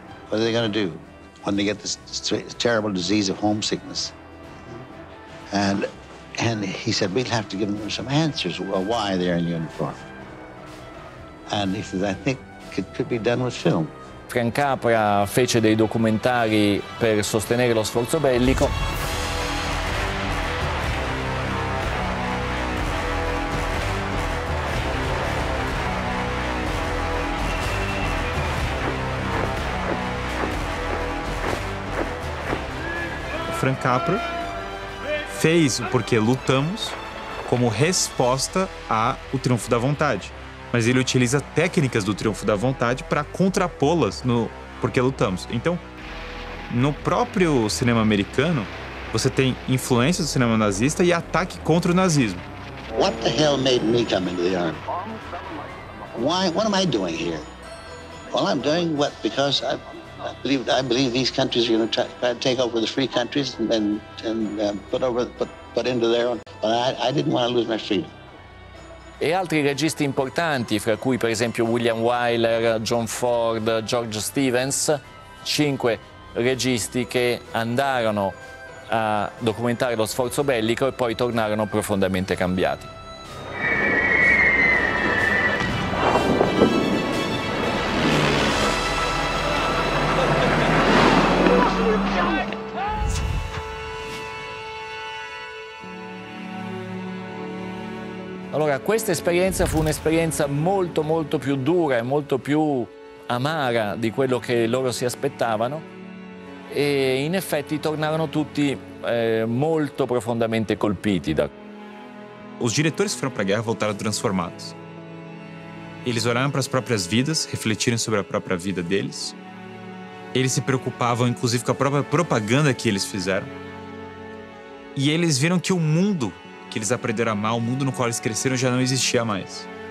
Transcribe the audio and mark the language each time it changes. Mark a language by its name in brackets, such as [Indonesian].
[English] What are they going to do when they get this terrible disease of homesickness? And he said, we'll have to give them some answers why they're in uniform. And he says, I think it could be done with film. [Italian] Frank Capra fece dei documentari per sostenere lo sforzo bellico. [Portuguese] Frank Capra fez o Porquê Lutamos como resposta ao Triunfo da Vontade. Mas ele utiliza técnicas do Triunfo da Vontade para contrapô-las no Porquê Lutamos. Então, no próprio cinema americano, você tem influência do cinema nazista e ataque contra o nazismo. [English] What the hell made me come into the army? Why? What am I doing here? Well, I'm doing what? Because I believe these countries are going to try to take over the free countries and put into their own. But I didn't want to lose my freedom. [Italian] E altri registi importanti, fra cui per esempio William Wyler, John Ford, George Stevens, 5 registi che andarono a documentare lo sforzo bellico e poi tornarono profondamente cambiati. Allora, questa esperienza fu un'esperienza molto, molto più dura e molto più amara di quello che loro si aspettavano e in effetti tornarono tutti molto profondamente colpiti. [Portuguese] Os diretores [Italian] che furono [Portuguese] para a guerra voltaram transformados. Eles olharam para as próprias vidas, refletiram sobre a própria vida deles. Eles se preocupavam, inclusive, com a própria propaganda que eles fizeram. E eles viram que o mundo que eles aprenderam a amar, o mundo no qual eles cresceram já não existia mais.